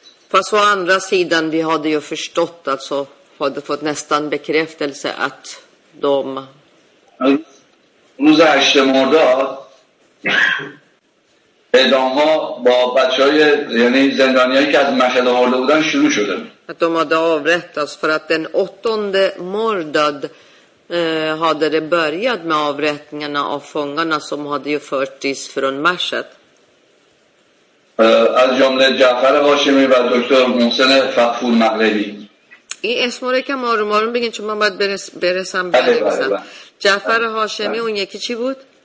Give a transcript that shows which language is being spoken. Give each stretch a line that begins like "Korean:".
Swedish: Fast å andra sidan, vi hade ju förstått, alltså hade fått nästan bekräftelse att de...
Persian: روز هشت مرداد اعدام ها با بچه های یعنی زندانی هایی که از مشهد آورده بودن شروع شده
Swedish: att de hade avrättats för att den åttonde mordad hade det börjat med avrättningarna av fångarna som hade ju förts från Mashhad
Persian: از جمله جعفر هاشمی و دکتر محسن فخفور مقلبی این اسم رو که مارو بگین چون من باید برسم برسم جعفر هاشمی اون یکی چی بود؟